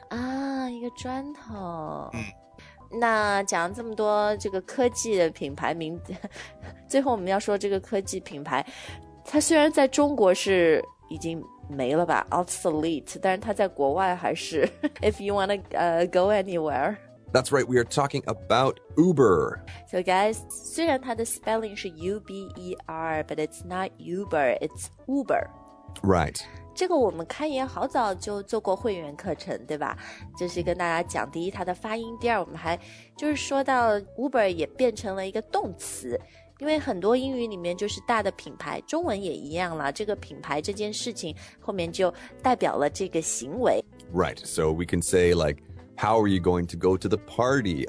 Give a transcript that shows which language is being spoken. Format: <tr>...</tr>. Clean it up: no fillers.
<zh>啊、一个砖头、那讲这么多这个科技的品牌名最后我们要说这个科技品牌它虽然在中国是已经没了吧 obsolete 但是它在国外还是</zh> <en>if you want to、go anywhere That's right, we are talking about Uber So guys,</en> <zh>虽然它的</zh> <en>spelling 是 U-B-E-R but it's not Uber, it's Uber Right.</en> <zh>这个我们开言好早就做过会员课程对吧就是跟大家讲第一它的发音第二我们还就是说到 Uber 也变成了一个动词因为很多英语里面就是大的品牌中文也一样了这个品牌这件事情后面就代表了这个行为</zh> <en>Right, so we can say like How are you going to go to the party?</en>